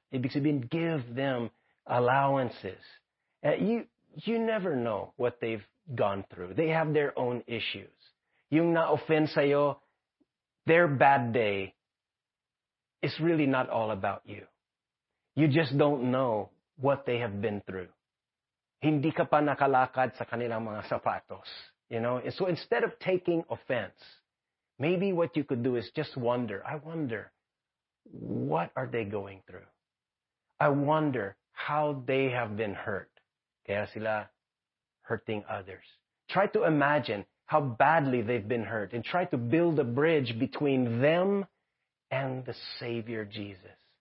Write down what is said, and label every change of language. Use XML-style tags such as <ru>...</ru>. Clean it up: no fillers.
<tl>Ibig sabihin,</tl> <en>give them allowances. You never know what they've gone through. They have their own issues.</en> <tl>Yung na-offend sa'yo,</tl> <en>their bad day is really not all about you. You just don't know what they have been through.</en> <tl>Hindi ka pa nakalakad sa kanilang mga sapatos.</tl> <en>You know, and so instead of taking offense, maybe what you could do is just wonder, I wonder, what are they going through? I wonder how they have been hurt.</en> <tl>Kaya sila</tl> <en>hurting others. Try to imagine how badly they've been hurt and try to build a bridge between them and the Savior Jesus.</en>